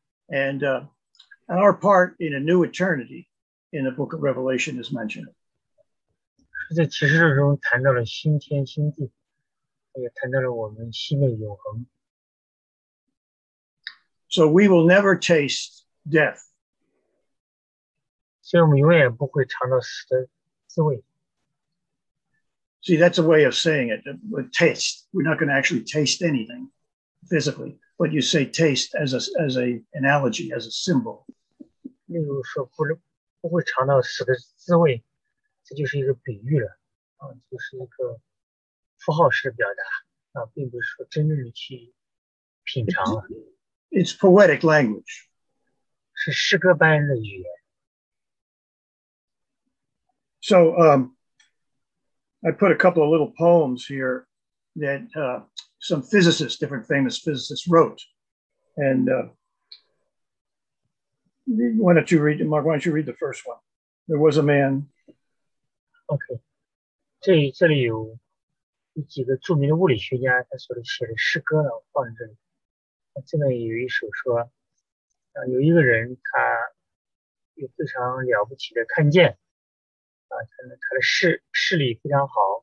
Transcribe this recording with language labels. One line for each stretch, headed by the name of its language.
English: And our part in a new eternity in the book of Revelation is mentioned.
Chinese: 在启示录中谈到了新天新地，也谈到了我们新的永恒。
English: So we will never taste death.
Chinese: 所以我们永远不会尝到死的滋味。
English: See, that's a way of saying it, with taste. We're not going to actually taste anything physically. But you say taste as an analogy, as a symbol.
Chinese: 例如说不会尝到死的滋味，这就是一个比喻了，就是一个符号式的表达，并不是说真正的去品尝了。
English: It's poetic language.
Chinese: 是诗歌般的语言。
English: So, I put a couple of little poems here that. Some physicists, different famous physicists, wrote. And Mark, why don't you read the first one? There was a man. Okay.
Chinese: 这里有几个著名的物理学家，他所写的诗歌呢，放在这里。那这里有一首说，有一个人他有非常了不起的看见，他的视力非常好。